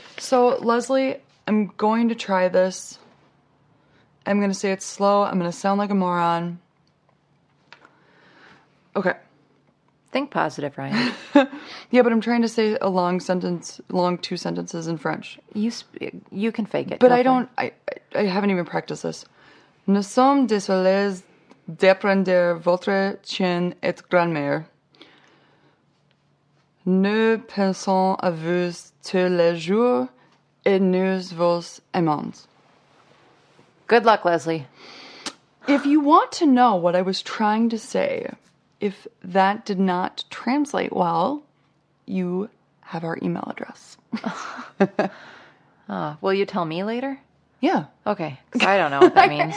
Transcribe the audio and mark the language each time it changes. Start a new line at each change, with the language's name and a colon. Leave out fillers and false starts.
English: So, Leslie, I'm going to try this. I'm going to say it's slow. I'm going to sound like a moron. Okay. Think positive, Ryan. Yeah, but I'm trying to say a long sentence, long two sentences in French. You can fake it. But definitely. I haven't even practiced this.
French: Nous sommes désolés d'apprendre votre chien et grand-mère. Nous pensons à vous tous les jours et nous vous aimons.
English: Good luck, Leslie. If you want to know what I was trying to say, if that did not translate well, you have our email address. Will you tell me later? Yeah. Okay. I don't know what that means.